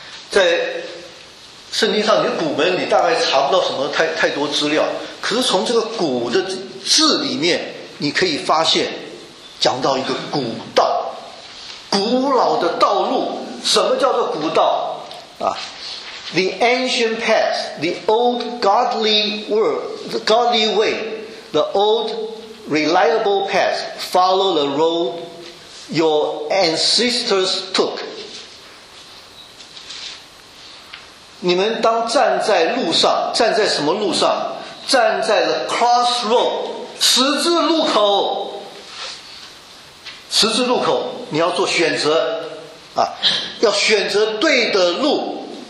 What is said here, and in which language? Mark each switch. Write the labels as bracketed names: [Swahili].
[Chinese] 在圣经上，你的古门你大概查不到什么太多资料，可是从这个古的字里面你可以发现，讲到一个古道，古老的道路。什么叫做古道啊？ [English] The ancient path, the old godly world, the godly way, the old reliable path, follow the road your ancestors took。 [Chinese] 你们当站在路上，站在什么路上？站在了 crossroad 十字路口。十字路口，你要做选择啊，要选择对的路。